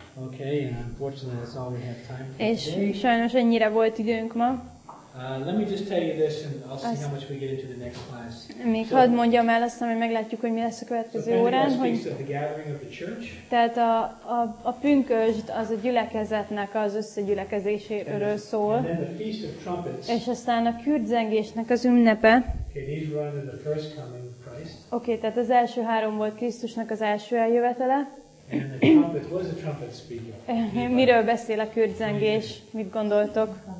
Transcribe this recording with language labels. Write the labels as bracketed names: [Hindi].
[English] Okay, and unfortunately that's all we have time for. [Hungarian] És sajnos ennyire volt időnk ma. [English] Let me just tell you this, and I'll see how much we get into the next class. [Hungarian] Még so, hadd mondjam el, aztán majd meglátjuk, hogy mi lesz a következő órán, hogy. Tehát a pünkösd az a gyülekezetnek az összegyülekezéséről szól. [English] And then the Feast of Trumpets. [Hungarian] És aztán a kürtzengésnek az ünnepe. [English] Okay, these were under the first coming of Christ. [Hungarian] Okay, tehát az első három volt Krisztusnak az első eljövetele. [English] And the trumpet, was a trumpet speaker? [Hungarian] Miről beszél a kürtzengés? Mit gondoltok?